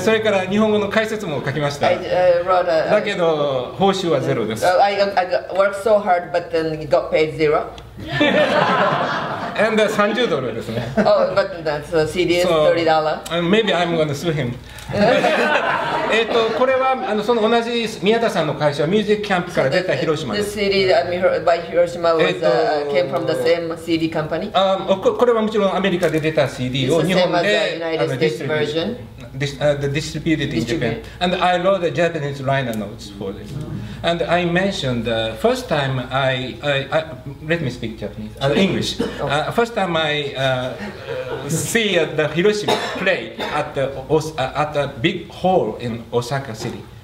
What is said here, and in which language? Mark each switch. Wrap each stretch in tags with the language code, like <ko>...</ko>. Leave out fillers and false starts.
<ja>それから日本語の解説も書きました。だけど報酬はゼロです。</ja> <en>I worked so hard, but then got paid zero. And $30</en> <ja>ですね。</ja> <en>Oh, but that's the CD is $30. Maybe I'm going to sue him.</en> <ja>これはその同じ宮田さんの会社、ミュージックキャンプから出た広島です。</ja> <en>The CD by Hiroshima came from the same CD company.</en> <ja>これはもちろんアメリカで出た CD を日本で</ja> <en>United States version. distributed in Japan. And I wrote the Japanese liner notes for this. And I mentioned the first time I let me speak Japanese, English. First time I see the Hiroshima play at a big hall in Osaka City.</en>